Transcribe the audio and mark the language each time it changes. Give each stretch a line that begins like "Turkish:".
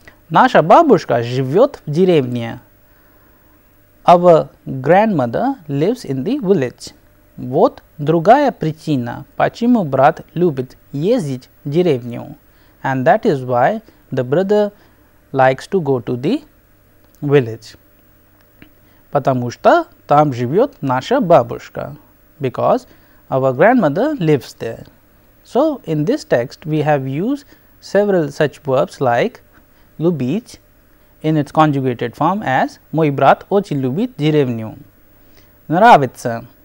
Russian: Наша бабушка живёт в деревне.
English: Our grandmother lives in the village.
Russian: Вот другая причина, почему брат любит ездить в деревню.
English: And that is why the brother likes to go to the village.
Russian: Потому что там живёт наша бабушка.
English: Because our grandmother lives there. So, in this text, we have used several such verbs like любить in its conjugated form as
Russian: мой брат очень любит деревню. Нравится.